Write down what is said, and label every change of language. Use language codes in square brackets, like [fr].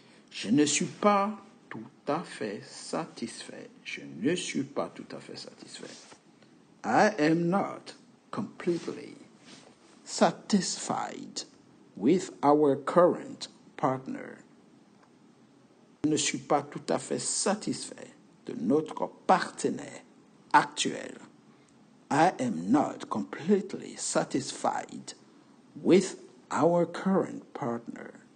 [fr] Je ne suis pas tout à fait satisfait. Je ne suis pas tout à fait satisfait. [en] I am not completely satisfied with our current partner. [fr] Je ne suis pas tout à fait satisfait de notre partenaire actuel. [en] I am not completely satisfied with our current partner.